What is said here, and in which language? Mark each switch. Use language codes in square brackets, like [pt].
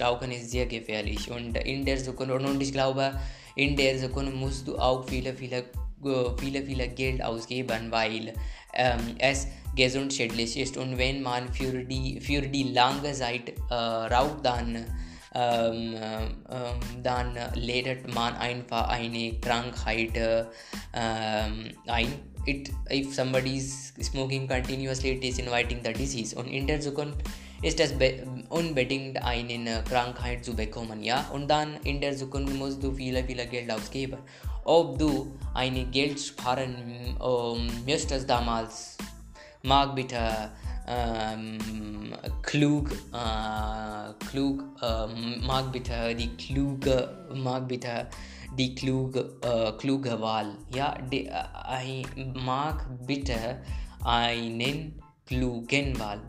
[de] Rauchen ist sehr gefährlich und in der Sekunde, und ich glaube, in der Sekunde musst du auch viele Geld ausgeben, weil es gesund schädlich ist und wenn man für die lange Zeit raucht, dann lädt man einfach eine Krankheit ein. [en] If somebody is smoking continuously, it is inviting the disease. [de] Und in der Zukunft ist das unbedingt eine Krankheit zu bekommen, ja? Und dann in der Zukunft musst du viele Geld ausgeben. Ob du eine Geld sparen müsstest damals, mag bitte mag bitte einen klugen Wahl.